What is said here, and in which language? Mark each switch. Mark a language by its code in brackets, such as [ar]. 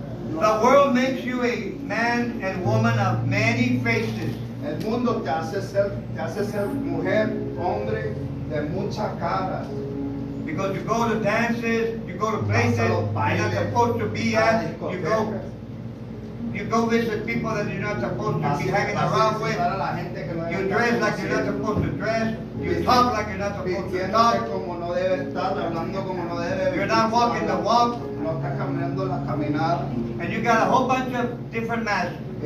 [en] The world makes you a man and woman of many faces. [es] El mundo te hace ser mujer, hombre, de mucha cara. [en] Because you go to dances, you go to places you're not supposed to be at. You go visit people that you're not supposed to be hanging around with. You dress like you're not supposed to dress. You talk like you're not supposed to talk. [es] Como no debe estar, hablando como no debe. [en] You're not walking the walk. [es] No está caminando la caminada. [en] And you got a whole bunch of different masks.